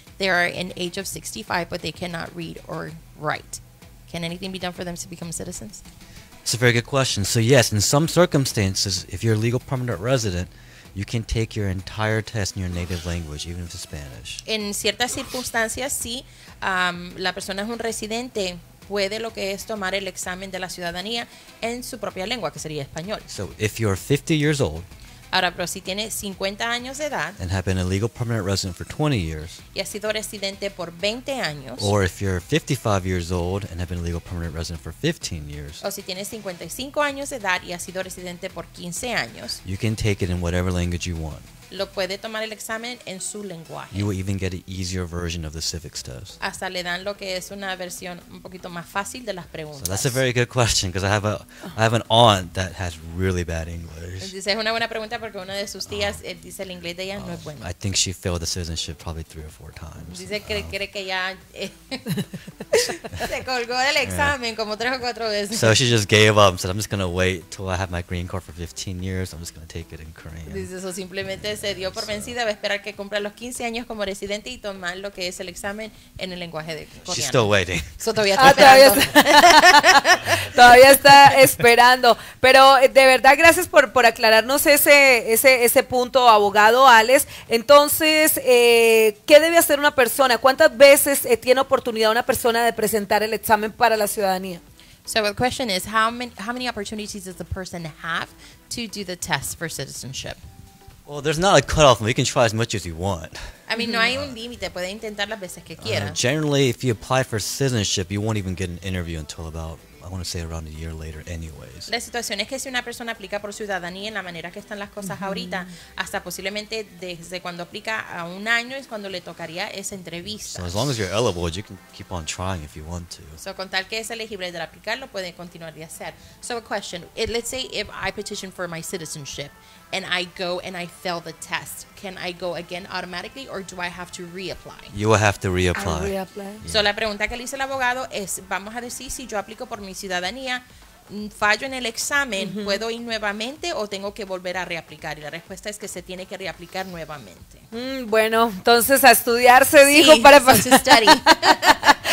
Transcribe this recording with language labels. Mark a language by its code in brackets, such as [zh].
[en] They are in age of 65, but they cannot read or write. Can anything be done for them to become citizens? It's a very good question. So yes, in some circumstances, if you're a legal permanent resident, you can take your entire test in your native language, even if it's Spanish. [es] En ciertas circunstancias, sí, la persona es un residente, puede lo que es tomar el examen de la ciudadanía en su propia lengua, que sería español. [en] So if you're 50 years old, [es] ahora, pero si tiene 50 años de edad, [en] and have been a legal permanent resident for 20 years, [es] y ha sido residente por 20 años, [en] or if you're 55 years old and have been a legal permanent resident for 15 years, [es] o si tiene 55 años de edad y ha sido residente por 15 años, [en] you can take it in whatever language you want. [es] Lo puede tomar el examen en su lenguaje. [en] You will even get an easier version of the civics test. [es] Hasta le dan lo que es una versión un poquito más fácil de las preguntas. [en] So that's a very good question because I have an aunt that has really bad English. [es] Dice, es una buena pregunta porque una de sus tías dice el inglés de ella no es bueno. [en] I think she failed the citizenship probably 3 or 4 times. [es] Dice que cree que ya se colgó del examen como 3 o 4 veces. [en] So she just gave up and said, I'm just going to wait till I have my green card for 15 years. I'm just going to take it in Korean. [es] Dice eso simplemente. Se dio por vencida, va a esperar que cumpla los 15 años como residente y tomar lo que es el examen en el lenguaje de coreano. She's still waiting. So, todavía está esperando. Todavía está esperando. Pero de verdad, gracias por aclararnos ese punto, abogado Alex. Entonces, ¿qué debe hacer una persona? ¿Cuántas veces tiene oportunidad una persona de presentar el examen para la ciudadanía? [en] So the question is, how many opportunities does the person have to do the test for citizenship? Well, there's not a cutoff. You can try as much as you want. I mean, [es] no hay un límite. Puede intentar las veces que quiera. [en] Generally, if you apply for citizenship, you won't even get an interview until about, I want to say, around a year later anyways. [es] La situación es que si una persona aplica por ciudadanía en la manera que están las cosas ahorita, hasta posiblemente desde cuando aplica a un año es cuando le tocaría esa entrevista. [en] So as long as you're eligible, you can keep on trying if you want to. [es] So con tal que es elegible de aplicar, lo puede continuar de hacer. [en] So a question. Let's say if I petition for my citizenship, and I go and I fail the test, can I go again automatically or do I have to reapply? You will have to reapply. [es] So la pregunta que le hice al abogado es, vamos a decir, si yo aplico por mi ciudadanía, fallo en el examen, ¿puedo ir nuevamente o tengo que volver a reaplicar? Y la respuesta es que se tiene que reaplicar nuevamente. Bueno, entonces a estudiar se dijo sí, pasar.